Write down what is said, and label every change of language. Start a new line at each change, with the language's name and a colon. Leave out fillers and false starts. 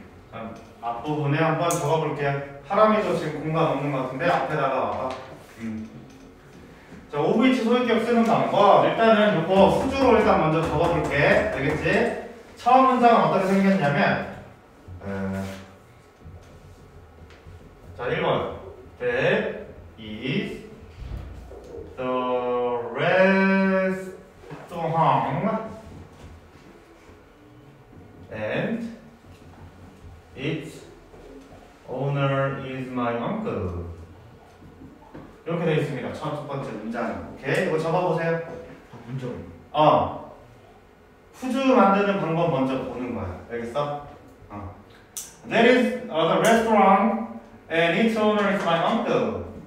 Korean: 자, 앞부분에 한번 적어볼게요. 하람이도 지금 공간 없는 것 같은데 앞에다가 와봐. 자, 오브이치 소유격 쓰는 방법. 일단은 요거 수주로 일단 먼저 적어볼게. 알겠지? 처음 문장은 어떻게 생겼냐면, 자, 1번.
English: There is the restaurant and its owner is my uncle.
Korean: 이렇게 되어 있습니다. 첫 번째 문장. 오케이. 이거 접어보세요. 문장. 후즈 만드는 방법 먼저 보는 거야. 알겠어?
English: There is the restaurant and its owner is my uncle.